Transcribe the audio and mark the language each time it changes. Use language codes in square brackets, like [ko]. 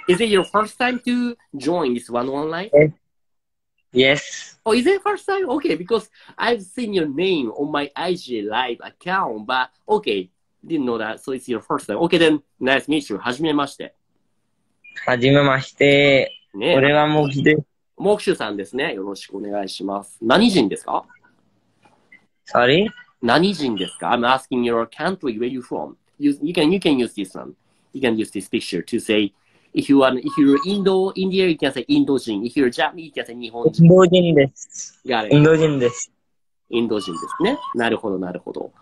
[en] Is it your first time to join this one-on-one line? Yes. Oh, is it first time? Okay, because I've seen your name on my IG Live account, but okay, didn't know that, so it's your first time. Okay, then, nice to meet you. [ja] はじめまして。はじめまして。ね、俺はモキです。モクシュさんですね。よろしくお願いします。何人ですか [en] ?Sorry? [ja] 何人ですか [en] ?I'm asking your country where you're from. You can use this one. You can use this picture to say, if you're Indo, India, you can say Indo 人。 If you're Japanese, you can say 日本人。 [ja] Indo 人です。 [en] Got it. [ja] Indo 人です。 Indo 人ですね。なるほど、なるほど。